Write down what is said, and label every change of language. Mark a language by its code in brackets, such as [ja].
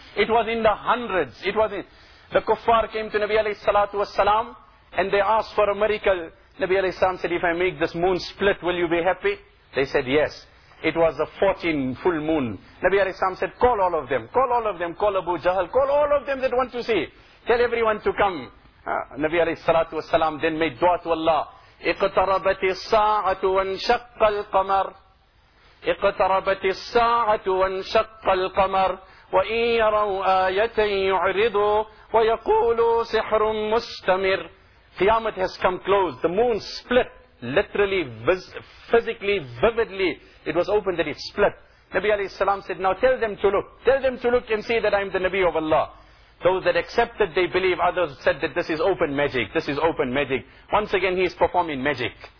[en] It was in the hundreds. It was in... The kuffar came to Nabi alayhi salatu was salam and they asked for a miracle. Nabi alayhi salam said, if I make this moon split, will you be happy? They said, yes. It was a 14 full moon. Nabi alayhi salam said, call all of them. Call all of them. Call Abu Jahl. Call all of them that want to see. Tell everyone to come. Nabi alayhi salatu was salam then made dua to Allah. [ar] اقتربتِ الساعة وانشق القمر اقتربتِ الساعة وانشق القمر وإن يروا آية يعرضوا ويقولوا سحر مستمر. [en] Qiyamah has come close. The moon split literally, physically, vividly. It was open that it split. Nabi alayhi salam said, now tell them to look. Tell them to look and see that I am the Nabi of Allah. Those that accepted, they believe. Others said that this is open magic. This is open magic. Once again, he is performing magic.